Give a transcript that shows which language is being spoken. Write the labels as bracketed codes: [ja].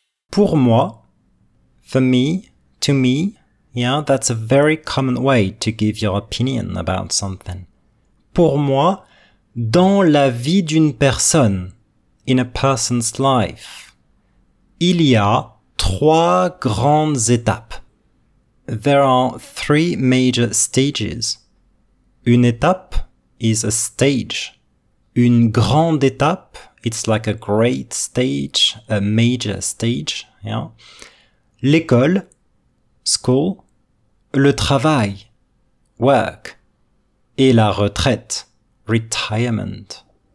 [fr] Pour moi, [en] for me, to me, yeah, that's a very common way to give your opinion about something. [fr] Pour moi, dans la vie d'une personne, [en] in a person's life, [fr] il y a trois grandes étapes. [en] There are three major stages. [fr] Une étape [en] is a stage. [fr] Une grande étape, [en] it's like a great stage, a major stage. Yeah. [fr] L'école, school, le travail, work, et la retraite, retirement.